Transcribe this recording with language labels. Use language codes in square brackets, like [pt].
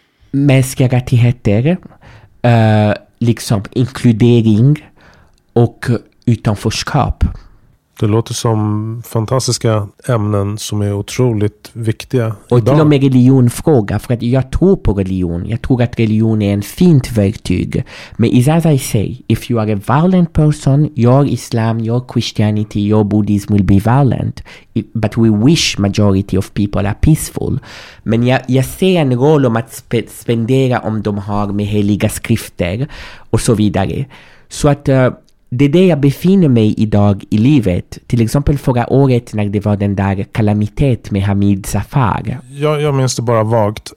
[sv] Mänskliga rättigheter, liksom inkludering och utanförskap. Det låter som fantastiska ämnen som är otroligt viktiga. Och idag, till och med religionfråga, för att jag tror på religion. Jag tror att religion är en fint verktyg. Men [en] it's as I say, if you are a violent person, your Islam, your Christianity, your Buddhism will be violent. But we wish majority of people are peaceful. [sv] Men jag ser en roll om att spendera om de har med heliga skrifter och så vidare. Så att det är det jag befinner mig idag i livet. Till exempel förra året när det var den där kalamitet med Hamid Zafar. Jag minns det bara vagt.